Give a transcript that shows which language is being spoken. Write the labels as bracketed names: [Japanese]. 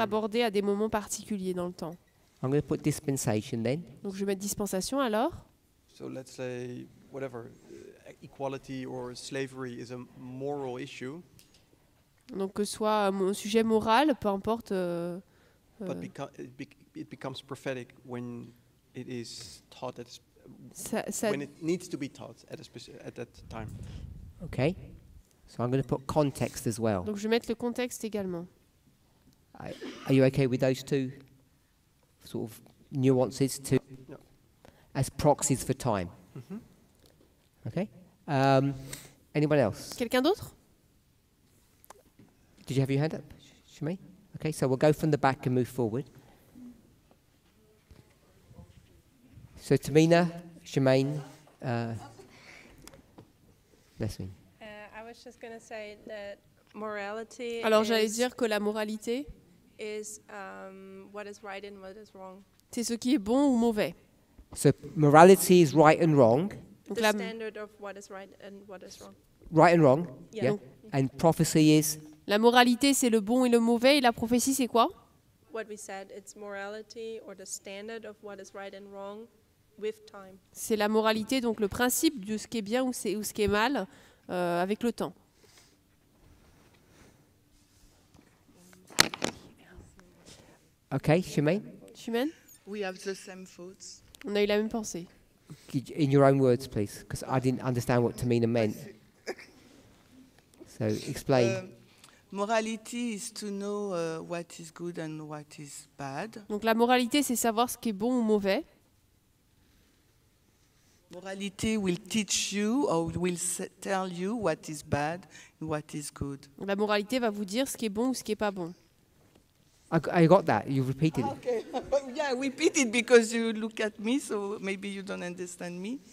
[French] Abordés à des moments particuliers dans le temps. [English] I'm going to put dispensation then. [French] Donc je vais mettre dispensation alors. [English] So let's say whatever equality or slavery is a moral issue. [French] Donc que soit un sujet moral, peu importe. [English] But it becomes prophetic when it is taught at when it needs to be taught at a specific at that time. Okay. So I'm going to put context as well. [French] Donc je vais mettre le contexte également. [English] Are you okay with those two sort of nuances to yeah. As proxies for time? Mm-hmm. Okay. Anyone else? [French] Quelqu'un d'autre? [English] Did you have your hand up, Shimei? Okay. So we'll go from the back and move forward. So Tamina, Shimei, Leslie. I was just going to say that morality. [French] Alors j'allais dire que la moralité [English] is what is right and what is wrong. [French] C'est ce qui est bon ou mauvais. [English] So morality is right and wrong. The standard of what is right and what is wrong. Right and wrong. Yeah. And prophecy is. [French] La moralité c'est le bon et le mauvais et la prophétie c'est quoi? [English] what we said, it's morality or the standard of what is right and wrong with time. [French] C'est la moralité, donc le principe de ce qui est bien ou ce qui est mal avec le temps. [English] Okay, Shimei. We have the same thoughts. [French] On a eu la même pensée. [English] In your own words, please, because I didn't understand what Tamina meant. So explain. Morality is to know what is good and what is bad. [French] Donc la moralité, c'est savoir ce qui est bon ou mauvais. [English] Morality will teach you or will tell you what is bad and what is good. [French] La moralité va vous dire ce qui est bon ou ce qui est pas bon. [English] I got that. You repeated it. Okay. Yeah, repeat it because you look at me, so maybe you don't understand me.